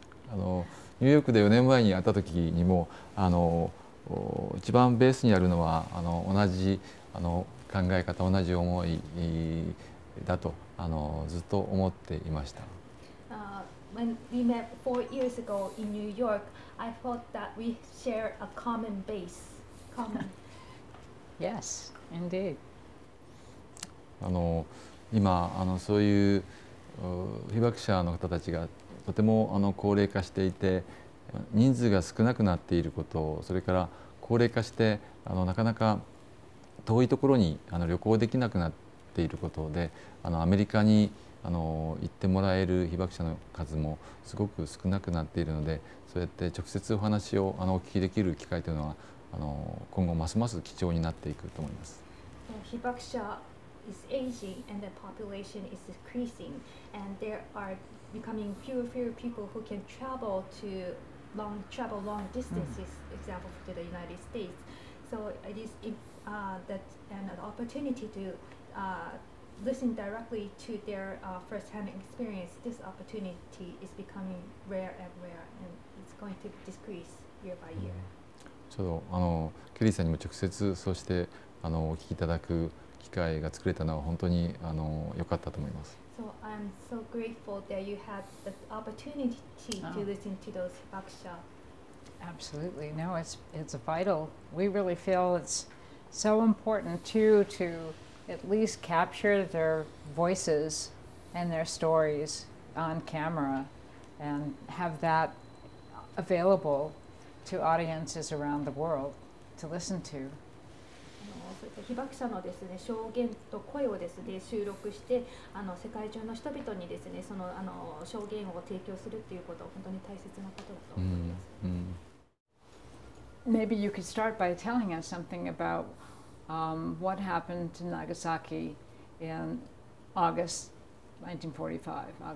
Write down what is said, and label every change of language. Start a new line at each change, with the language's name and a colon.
Japanese: あのニューヨークで4年前に会った時にもあの一番ベースにあるのはあの同じあの考え方同じ思いだとあのずっと思っていました。
English: When we met 4 years ago in New York, I thought that we share a common base. Common. Yes, indeed.
Japanese: あの今あのそういう被爆者の方たちがとてもあの高齢化していて人数が少なくなっていることをそれから高齢化してあのなかなか遠いところにあの旅行できなくなっていることであのアメリカにあの行ってもらえる被爆者の数もすごく少なくなっているのでそうやって直接お話をあのお聞きできる機会というのはあの今後ますます貴重になっていくと思います。被爆者
English: is aging and the population is decreasing and there are becoming fewer people who can travel long distances, for example, to the United States. So it is an opportunity to listen directly to their first-hand experience. This opportunity is becoming rare and it's going to decrease year by year.
Japanese: ちょうどあのケリーさんにも直接そしてあのお聞きいただく機会が作れたのは本当に良かったと思います。
English: So I'm so grateful that you had the opportunity to listen to those baksha. Absolutely. No, it's vital. We really feel it's so important to at least capture their voices and their stories on camera and have that available to audiences around the world to listen to.
Japanese: 被爆者のですね、証言と声をですね、収録してあの世界中の人々にですね、その、あの証言を提供するということは本当に大切なことだと思います。
English: Maybe you could start by telling us something about what happened to Nagasaki in August 9, 1945.